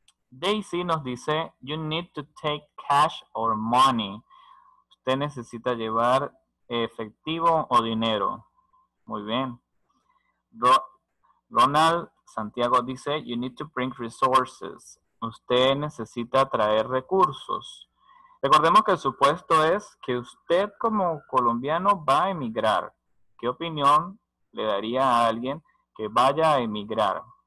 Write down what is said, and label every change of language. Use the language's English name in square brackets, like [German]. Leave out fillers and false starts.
[English] Daisy nos dice, you need to take cash or money. [Spanish] Usted necesita llevar efectivo o dinero. Muy bien. [English] Ronald Santiago dice, you need to bring resources. [Spanish] Usted necesita traer recursos. Recordemos que el supuesto es que usted como colombiano va a emigrar. ¿Qué opinión le daría a alguien que vaya a emigrar?